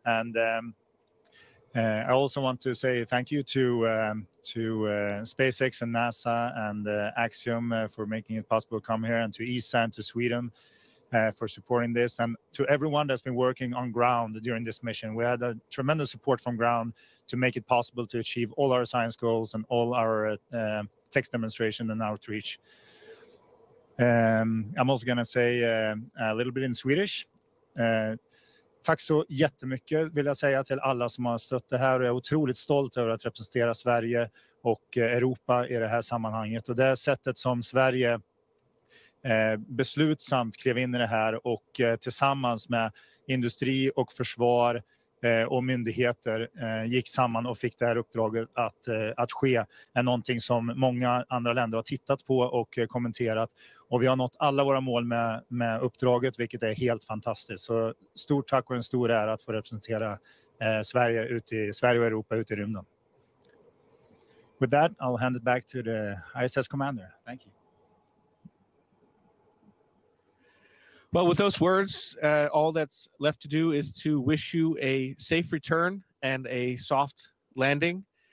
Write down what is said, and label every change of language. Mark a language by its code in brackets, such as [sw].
[en] And I also want to say thank you to SpaceX and NASA and Axiom for making it possible to come here, and to ESA and to Sweden for supporting this, and to everyone that's been working on ground during this mission. We had a tremendous support from ground to make it possible to achieve all our science goals and all our tech demonstration and outreach. I'm also going to say a little bit in Swedish. [sv] Tack så jättemycket vill jag säga till alla som har stött det här, och jag är otroligt stolt över att representera Sverige och Europa i det här sammanhanget. Och det sättet som Sverige beslutsamt klev in i det här och tillsammans med industri och försvar och myndigheter gick samman och fick det här uppdraget att ske, är någonting som många andra länder har tittat på och kommenterat. Och vi har nått alla våra mål med uppdraget, vilket är helt fantastiskt. Så stort tack och en stor ära att få representera Sverige ut i Sverige och Europa ut i rymden. [en] With that, I'll hand it back to the ISS commander. Thank you. Well, with those words, all that's left to do is to wish you a safe return and a soft landing.